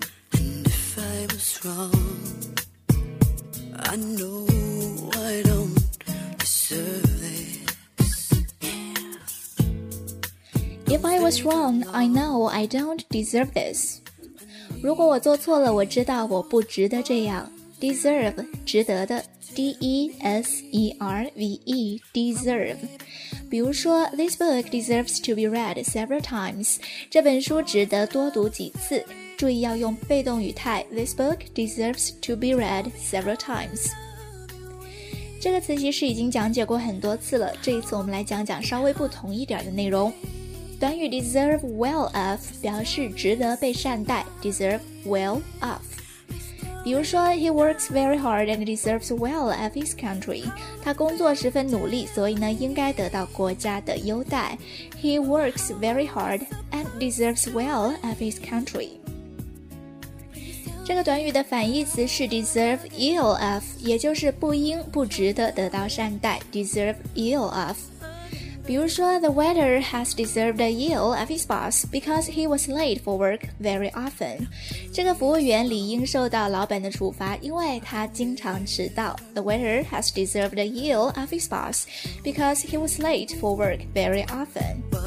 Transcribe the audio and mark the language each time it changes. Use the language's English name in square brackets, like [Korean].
[English] And if I was wrong I know I don't deserve this. If I was wrong, I know I don't deserve this. [Chinese] 如果我做错了，我知道我不值得这样。 [English] Deserve, 值得的。D-E-S-E-R-V-E, deserve. 比如说 This book deserves to be read several times. [Chinese] 这本书值得多读几次。 [English] 注意要用被动语态 This book deserves to be read several times. [Chinese] 这个词其实已经讲解过很多次了，这一次我们来讲讲稍微不同一点的内容。短语 deserve well of 表示值得被善待， deserve well of。 [English] 比如说 He works very hard and deserves well of his country. [Chinese] 他工作十分努力，所以呢应该得到国家的优待。 [English] He works very hard and deserves well of his country. [Chinese] 这个短语的反义词是 deserve ill of， 也就是不应不值得得到善待， deserve ill of。 [English] 比如说 The waiter has deserved ill of his boss because he was late for work very often。 [Chinese] 这个服务员理应受到老板的处罚，因为他经常迟到。 [English] The waiter has deserved ill of his boss because he was late for work very often。